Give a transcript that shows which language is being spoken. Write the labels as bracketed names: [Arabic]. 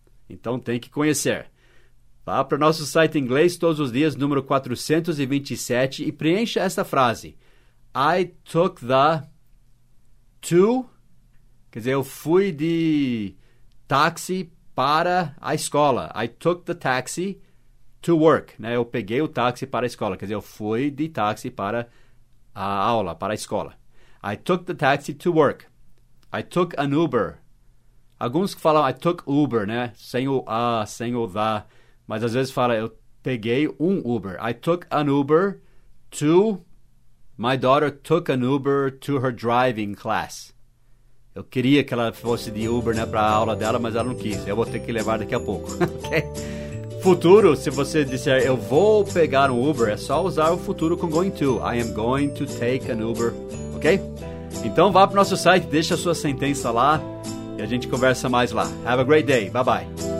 [Portuguese] Então, tem que conhecer. Vá para o nosso site inglês todos os dias, número 427, e preencha esta frase. [English] I took the to, [Portuguese] quer dizer, eu fui de táxi para a escola. [English] I took the taxi to work, né? [Portuguese] Eu peguei o táxi para a escola, quer dizer, eu fui de táxi para a aula, para a escola. [English] I took the taxi to work. I took an Uber. [Portuguese] Alguns falam [English] I took Uber, [Portuguese] né? Sem o a, sem o the. Mas às vezes fala eu peguei um Uber. [English] I took an Uber to... My daughter took an Uber to her driving class. [Portuguese] Eu queria que ela fosse de Uber, né, para a aula dela, mas ela não quis. Eu vou ter que levar daqui a pouco, ok? Futuro, se você disser eu vou pegar um Uber, é só usar o futuro com going to. [English] I am going to take an Uber, ok? [Portuguese] Então vá para o nosso site, deixa a sua sentença lá e a gente conversa mais lá. [English] Have a great day. Bye-bye.